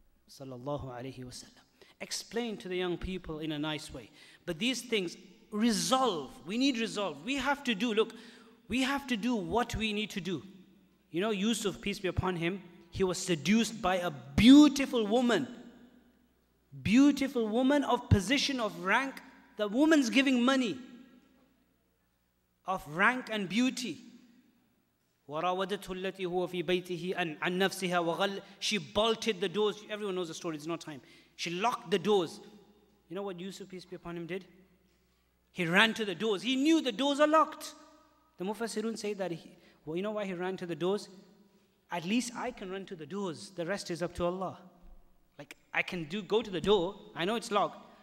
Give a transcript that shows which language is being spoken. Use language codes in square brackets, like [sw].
[en] Sallallahu alayhi wa sallam. Explain to the young people in a nice way. But these things, resolve. We need resolve. We have to do, look, We have to do what we need to do. You know, Yusuf, peace be upon him, he was seduced by a beautiful woman. Beautiful woman of position, of rank. The woman's giving money. Of rank and beauty. [ar] وَرَاوَدَتْهُ الَّتِي هُوَ فِي بَيْتِهِ عَنْ نَفْسِهَا وَغَلْ [en] She bolted the doors. Everyone knows the story, it's not time. She locked the doors. You know what Yusuf, peace be upon him, did? He ran to the doors. He knew the doors are locked. The Mufassirun say that, you know why he ran to the doors? At least I can run to the doors. The rest is up to Allah. Like, I can go to the door. I know it's locked.